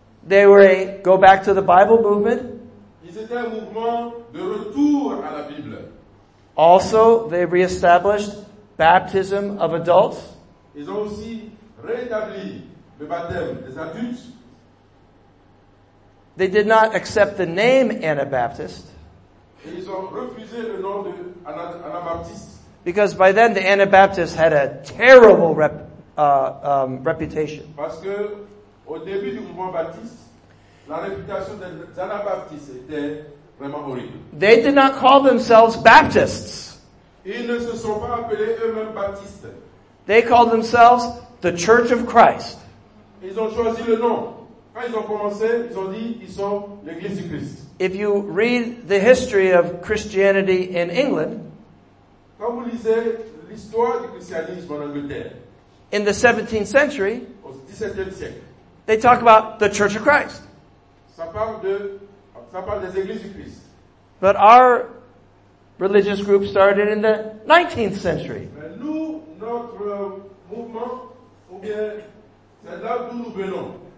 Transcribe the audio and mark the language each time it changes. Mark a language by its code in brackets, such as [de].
[en] They were go back to the Bible movement. [fr] Ils c'était un mouvement de retour à la Bible. [en] Also, they reestablished baptism of adults. [fr] Ils ont aussi rétabli le baptême des adultes. [en] They did not accept the name Anabaptist. [fr] Et ils ont refusé le nom de Anabaptiste. [en] Because by then the Anabaptists had a terrible reputation. [fr] Parce que au début du mouvement baptiste, la réputation des Anabaptistes était vraiment horrible. [en] They did not call themselves Baptists. [fr] Ils ne se sont pas appelés eux-mêmes baptistes. [en] They called themselves the Church of Christ. [fr] Ils ont choisi le nom. Quand ils ont commencé, ils ont dit ils sont l'Église du Christ. [en] If you read the history of Christianity in England, [fr] quand vous lisez l'histoire du christianisme en Angleterre, [en] in the 17th century, [fr] au 17e siècle, [en] they talk about the Church of Christ. [fr] Ça parle des Églises du Christ. [en] But our religious group started in the 19th century. [fr] Mais nous, notre mouvement, ou bien c'est là d'où nous venons.